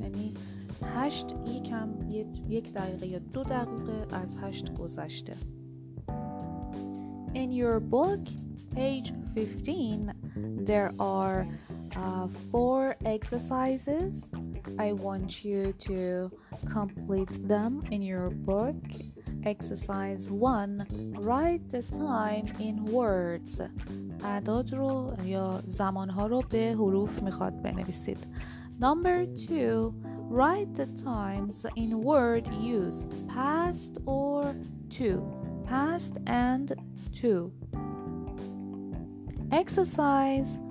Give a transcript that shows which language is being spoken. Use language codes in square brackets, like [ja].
[fa] یعنی 8 یکم یک دقیقه یا 2 دقیقه از 8 گذشته. [en] In your book page 15 there are 4 exercises. I want you to complete them in your book. Exercise 1: write the time in words. [fa] اعداد رو یا زمان ها رو به حروف میخواد بنویسید. [en] Number 2: write the times in word use past or to. Past and to. Exercise